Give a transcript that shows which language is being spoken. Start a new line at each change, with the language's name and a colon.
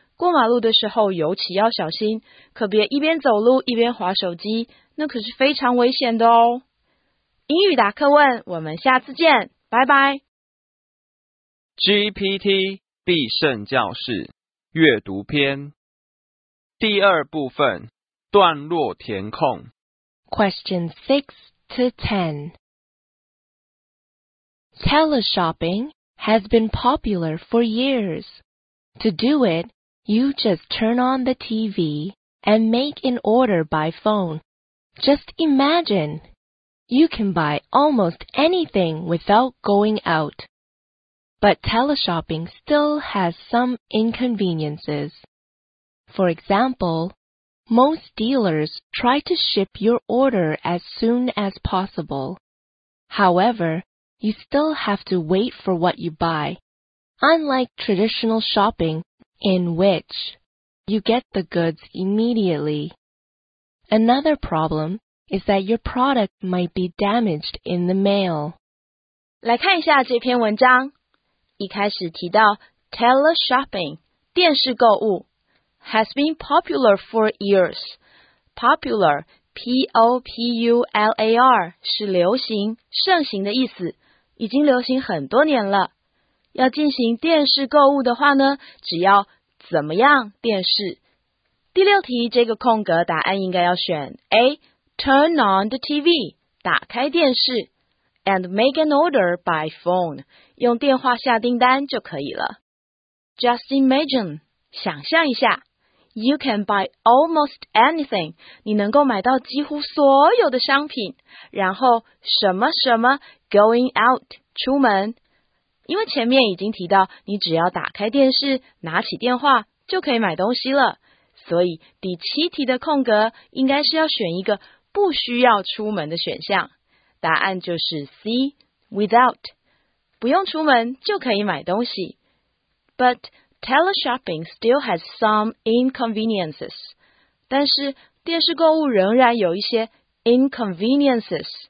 Chinese: 过马路的时候尤其要小心，可别一边走路一边滑手机，那可是非常危险的哦。英语答客问，我们下次见，拜拜。 GPT 必胜教室阅读篇第二部分段落填空
English: Question 6 to 10 Teleshopping has been popular for years. To do it, you just turn on the TV and make an order by phone. Just imagine, you can buy almost anything without going out. But teleshopping still has some inconveniences. For example, most dealers try to ship your order as soon as possible. However, you still have to wait for what you buy, unlike traditional shopping in which you get the goods immediately. Another problem is that your product might be damaged in the mail.
Chinese: 来看一下这篇文章。一开始提到 teleshopping 电视购物
English: has been popular for years. Popular P-O-P-U-L-A-R
Chinese: 是流行、盛行的意思，已经流行很多年了。要进行电视购物的话呢，只要怎么样电视。第六题这个空格答案应该要选 A.
English: Turn on the TV
Chinese: 打开电视。
English: And make an order by phone,
Chinese: 用电话下订单就可以了。
English: Just imagine,
Chinese: 想象一下。
English: You can buy almost anything,
Chinese: 你能够买到几乎所有的商品。然后什么什么
English: going out,
Chinese: 出门。因为前面已经提到你只要打开电视拿起电话就可以买东西了。所以第七题的空格应该是要选一个不需要出门的选项。答案就是 C, without. 不用出门就可以买东西。
English: But teleshopping still has some inconveniences.
Chinese: 但是电视购物仍然有一些 inconveniences.